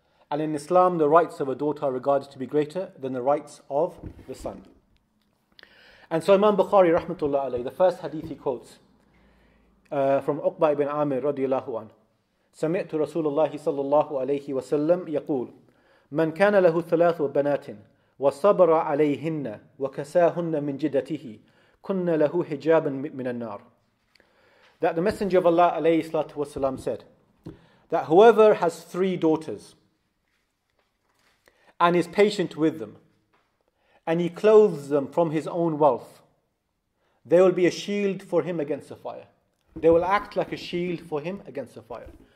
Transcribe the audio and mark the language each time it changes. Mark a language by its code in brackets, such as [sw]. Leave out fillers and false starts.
[en] And in Islam, the rights of a daughter are regarded to be greater than the rights of the son. And so Imam Bukhari, rahmatullah alayhi, the first hadith he quotes, from Uqba ibn Amir radiyallahu anhu, [ar] سَمِعْتُ رَسُولَ اللَّهِ صَلَّى اللَّهُ عَلَيْهِ وَسَلَّمْ يَقُولُ مَنْ كَانَ لَهُ ثَلَاثُ بَنَاتٍ وَصَبَرَ عَلَيْهِنَّ وَكَسَاهُنَّ مِنْ جِدَتِهِ كُنَّ لَهُ حِجَابًا مِنَ النَّارِ. [en] That the Messenger of Allah alayhi salatu wasalam said that whoever has three daughters and is patient with them and he clothes them from his own wealth, they will be a shield for him against the fire. They will act like a shield for him against the fire.